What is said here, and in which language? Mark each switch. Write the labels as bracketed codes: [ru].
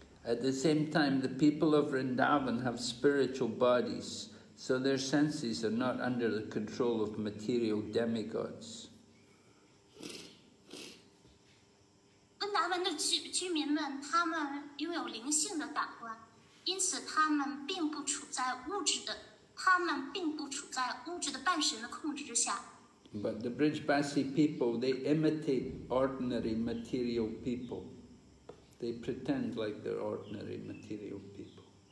[en] At the same time, the people of Vrindavan have spiritual bodies, so their senses are not under the control of material demigods. [zh] 温达文的居民们，他们拥有灵性的感官，因此他们并不处在物质的半神的控制之下。 [en] But the Brijbasi people, they imitate ordinary material people. They pretend like they're ordinary material people.